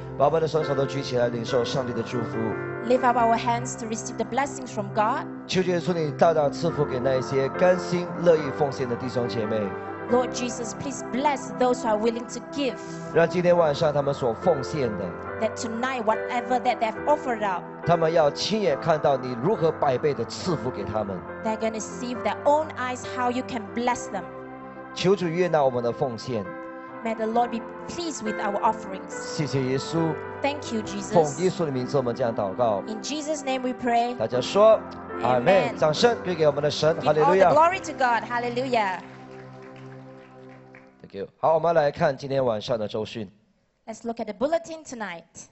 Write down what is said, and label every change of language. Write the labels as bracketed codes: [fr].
[zh] 们的双手都举起来，领受上帝的祝福。 [en] Lift up our hands to receive the blessings from God. [zh] 求耶稣你大大赐福给那些甘心乐意奉献的弟兄姐妹。 [en] Lord Jesus, please bless those who are willing to give. [zh] 让今天晚上他们所奉献的。 [en] That tonight, whatever that they've offered up. [zh] 他们要亲眼看到你如何百倍的赐福给他们。 [en] They're going to see with their own eyes how you can bless them. [zh] 求主悦纳我们的奉献。 [en] May the Lord be pleased with our offerings. [zh] 谢谢耶稣。 [en] Thank you, Jesus. [zh] 奉耶稣的名字，我们这样祷告。 [en] In Jesus' name, we pray. [zh] 大家说，阿门。掌声归给我们的神，哈利路亚。 [en] Give all the glory to God. Hallelujah. [zh] 好，我们来看今天晚上的周讯。 [en] Let's look at the bulletin tonight.